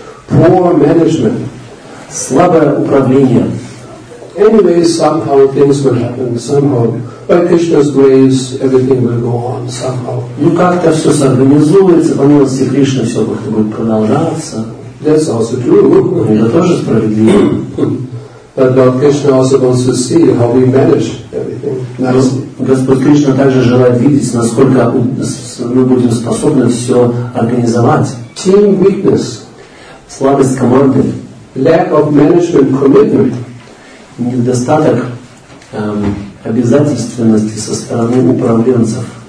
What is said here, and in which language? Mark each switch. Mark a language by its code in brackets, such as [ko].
[en] Poor management. [ru] Слабое управление. [en] Anyway, somehow things will happen, somehow. By Krishna's grace, everything will go on, somehow. [ru] Ну, как-то все сорганизуется, по милости Кришны все как-то будет продолжаться. [en] That's also true. [ru] Это тоже справедливо. [en] But Lord Krishna also wants to see how we manage everything. [ru] Господь Кришна также желает видеть, насколько мы будем способны все организовать. [en] Team weakness. [ru] Слабость команды. [en] Lack of management commitment. [ru] Недостаток обязательственности со стороны управленцев.